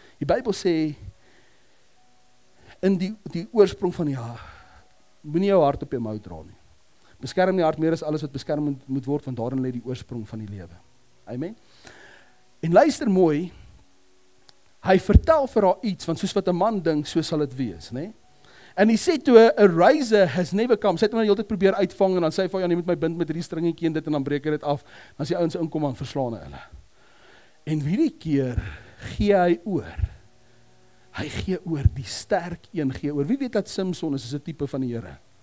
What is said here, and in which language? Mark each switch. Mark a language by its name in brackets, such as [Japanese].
[Afrikaans] Die Bybel sê, in die oorsprong van die haar, moenie jou hart op jou mou dra nie. Beskerm die hart meer as alles wat beskerm moet word, want daarin lê die oorsprong van die lewe. Amen. En luister mooi, hy vertel vir haar iets, want soos wat 'n man dink, so sal dit wees, né? [English] And he said to her, a razor has never come. [Afrikaans] Sy het hom die hele tyd probeer uitvang, en dan sê hy, jy moet my bind met hierdie stringetjie en dit, en dan breek hy dit af. Dan sê ouens inkom en verslaan hulle. En hierdie keer gee hy oor. Hy gee oor, die sterk een gee oor. Wie weet dat Samson is 'n tipe van die Here?